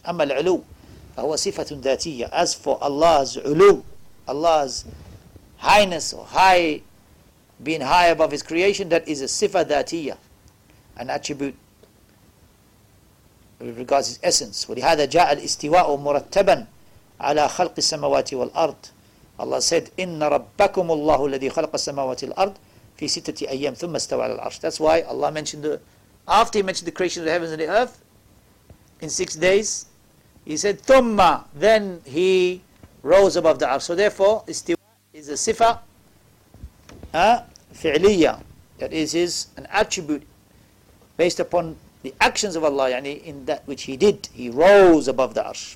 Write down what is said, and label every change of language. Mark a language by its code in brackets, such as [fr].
[ar] أَمَّا الْعُلُوُ فَهُوَ صِفَةٌ ذَاتِيَّة. [en] As for Allah's ulu, Allah's highness, or high, being high above his creation, that is a sifa dhatiyya, an attribute with regards to his essence. [ar] وَلِهَذَا جَاءَ الْإِسْتِوَاءُ مُرَتَّبًا عَلَىٰ خَلْقِ السَّمَوَاتِ وَالْأَرْضِ. [en] Allah said, [ar] إِنَّ رَبَّكُمُ اللَّهُ الَّذِي خَلَقَ السَّمَوَاتِ الْأَرْضِ فِي سِتَّةِ أَيَّامٍ ثُمَّ اسْتَوَى عَلَى الْعَرْشِ. [en] That's why Allah mentioned after he mentioned the creation of the heavens and the earth in 6 days, he said, ثُمَّ, then he rose above the earth. So therefore, istiwa is a sifa fi'liyya, that is an attribute based upon the actions of Allah, yani in that which he did, he rose above the arsh.